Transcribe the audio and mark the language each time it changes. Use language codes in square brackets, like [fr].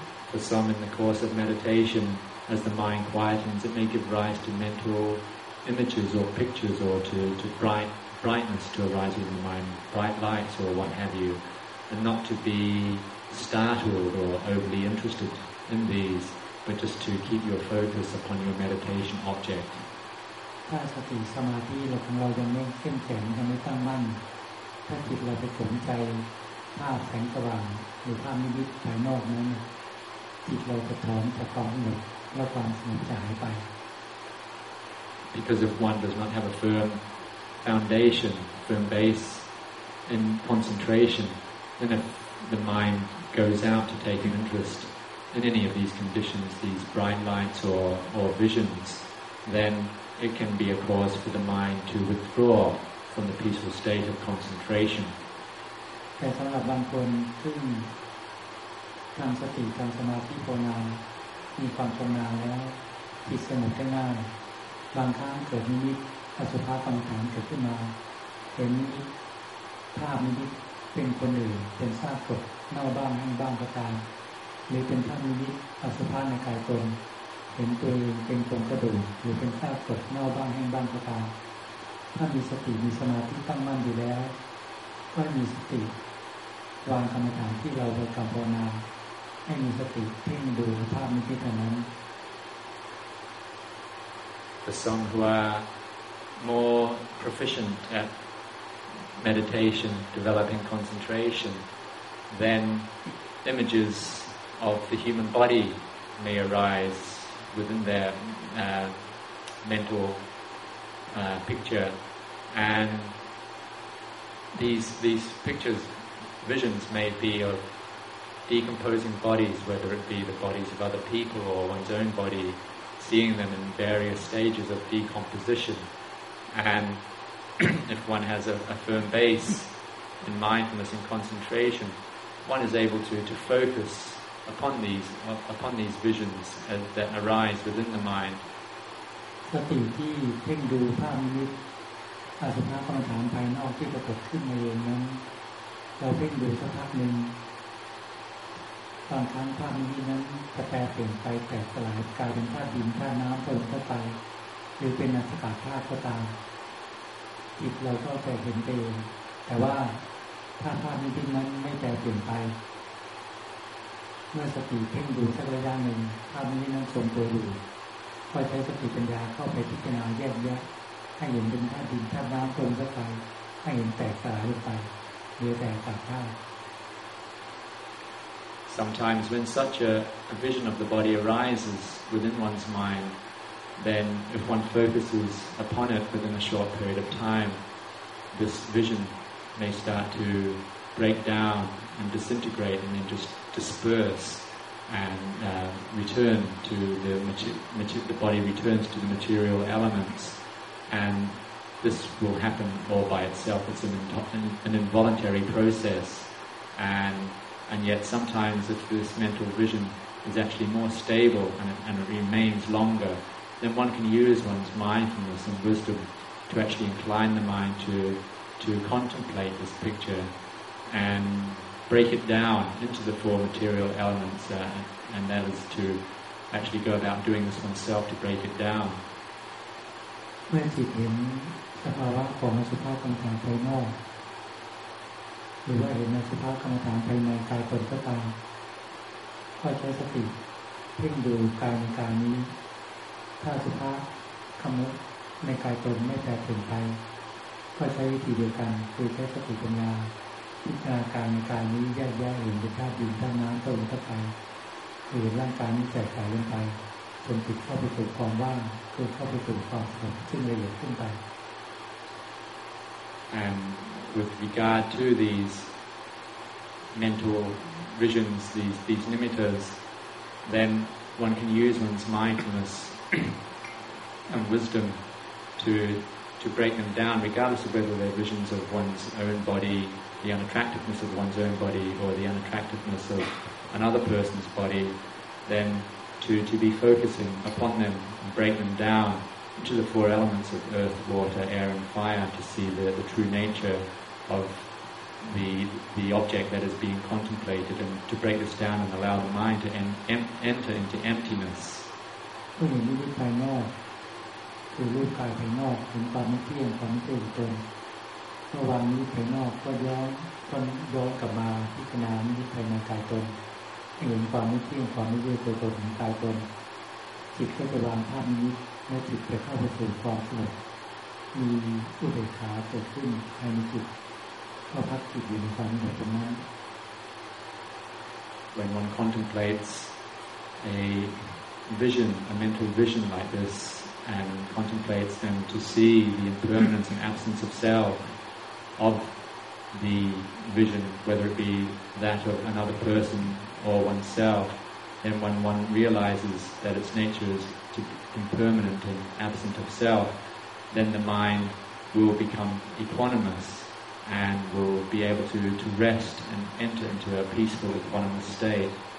[en] For some, in the course of meditation, as the mind quietens, it may give rise to mental images or pictures, or to brightness to arise in the mind, bright lights or what have you, and not to be startled or overly interested in these, but just to keep your focus upon your meditation object. [th] ถ้าสติสมาธิของเรายังไม่เข้มแข็งยังไม่ตั้งมั่นถ้าจิตเราไปสนใจภาพแสงสว่างหรือภาพนิมิตภายนอกนั้นจิตเราจะถอนจากความหนักและความสงบจะหายไป [en] Because if one does not have a firm foundation, firm base in concentration, then if the mind goes out to take an interest in any of these conditions, these bright lights or visions, thenit can be a cause for the mind to withdraw from the peaceful state of concentration. [th] แต่สำหรับบางคนซึ่งทำสติทำสมาธิภาวนามีความชำนาญแล้วจิตสงบได้ง่ายบางครั้งเกิดนิมิตอสุภะกรรมฐานเกิดขึ้นมาเห็น ภาพนิมิตเป็นคนอื่นเป็นซากศพเน่าบ้างแห้งบ้างก็ตามหรือเป็นภาพนิมิตอสุภะในกายตนเห็นตัวเองเป็นคนกระดุมหรือเป็นซากศพเน่าบ้างแห้งบ้างก็ตามถ้ามีสติมีสมาธิตั้งมั่นอยู่แล้วก็มีสติวางกรรมฐานที่เราบริกรรมภาวนาให้มีสติเพ่งดูภาพนิมิตนั้น [en] For some who are more proficient at meditation, developing concentration, then images of the human body may arise. Within their mental picture, and these pictures, visions may be of decomposing bodies, whether it be the bodies of other people or one's own body, seeing them in various stages of decomposition. And if one has a firm base in mindfulness and concentration, one is able to focus. Upon these visions that arise within the mind, [th] สติที่เพ่งดูภาพนิมิตอสุภะกรรมฐานภายนอกที่ปรากฏขึ้นมาเองนั้นเราเพ่งดูสักพักหนึ่งบางครั้งภาพนิมิตนั้นจะแปรเปลี่ยนไปแตกสลายกลายเป็นธาตุดินธาตุน้ำผสมเข้าไปหรือเป็นอากาศธาตุก็ตามจิตเราก็จะเห็นเองแต่ว่าถ้าภาพนิมิตนั้นไม่แปรเปลี่ยนไป เมื่อสติเพ่งดูสักระยะหนึ่งภาพนี้นั่งทรงตัวอยู่คอยใช้สติปัญญาเข้าไปพิจารณาแยกแยะให้เห็นเป็นธาตุดินธาตุน้ำตรงสักไปให้เห็นแตกสลายลงไปเหลือแต่ธาตุธาตุ [en] Sometimes when such a vision of the body arises within one's mind, then if one focuses upon it within a short period of time, this vision may start to break down and disintegrate and then justdisperse and return to the material, the body returns to the material elements, and this will happen all by itself. It's an involuntary process, and yet sometimes if this mental vision is actually more stable and it remains longer, then one can use one's mindfulness and wisdom to actually incline the mind to contemplate this picture andbreak it down into the four material elements and that is to actually go about doing this oneself to break it down [th] เมื่อจิตเห็นสภาวะของสภาวะกรรมฐานภายนอกหรือว่าเห็นสภาวะกรรมฐานภายในกายตนก็ตาม ก็ใช้สติเพ่งดูกายในกายนี้ถ้าสภาวะกรรมในกายตนไม่แตกเปลี่ยนไปก็ใช้วิธีเดียวกันคือใช้สติปัญญาพิจารณาการนี้แยกๆเห็นเป็นธาตุดินธาตุน้ำตัวนี้เข้าไปเห็นร่างกายนี้แตกแตกลงไปจนติดเข้าไปสู่ความว่างคือเข้าไปสู่ความสงบซึ่งละเอียดขึ้นไป [en] And with regard to these mental visions, these nimittas, then one can use one's mindfulness and wisdom to break them down, regardless of whether they're visions of one's own bodyThe unattractiveness of one's own body, or the unattractiveness of another person's body, then to be focusing upon them and break them down into the four elements of earth, water, air, and fire to see the true nature of the object that is being contemplated, and to break this down and allow the mind to enter into emptiness. [th] ก็เห็นรูปภายนอกคือรูปกายภายนอกเห็นความไม่เที่ยงความไม่เที่ยงตนเมื่อวางรูปภายนอกก็ย้อนกลับมาพิจารณารูปภายในกายตนเห็นความไม่เที่ยงความไม่เที่ยงตัวตนของกายตนจิตก็จะวางภาพนี้และจิตจะเข้าไปสู่ความสงบมีอุเบกขาเกิดขึ้นภายในจิตก็พักจิตอยู่ในความสงบตรงนั้น [en] When one contemplates a vision, a mental vision like this, and contemplates them to see the impermanence and absence of self of the vision, whether it be that of another person or oneself, then when one realizes that its nature is to be impermanent and absent of self, then the mind will become equanimous and will be able to rest and enter into a peaceful, equanimous state.